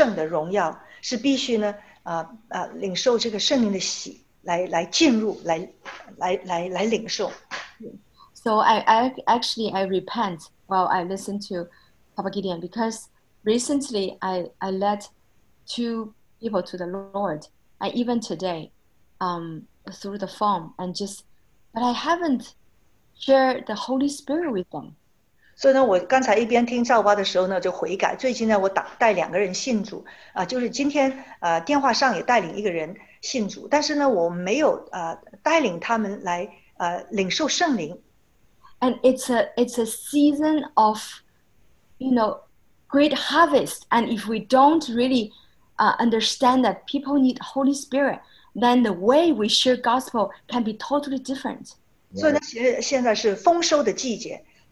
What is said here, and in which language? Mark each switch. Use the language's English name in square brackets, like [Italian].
[Chinese] 就是18节,就是呢,知道他的恩召的指望,圣体中所得的基业的丰盛的荣耀,是必须呢, 领受这个圣灵的喜来进入来领受。 [English] So I repent while I listen to Papa Gideon, because recently I led two people to the Lord, and even today through the phone, and just, but I haven't shared the Holy Spirit with them. [Chinese] 所以呢我刚才一边听赵娃的时候呢就悔改。最近呢我打带两个人信主，就是今天电话上也带领一个人信主，但是呢我没有带领他们来领受圣灵。And [English] it's a season of, you know, great harvest, and if we don't really understand that people need Holy Spirit, then the way we share gospel can be totally different. [Chinese] 所以呢其实现在是丰收的季节。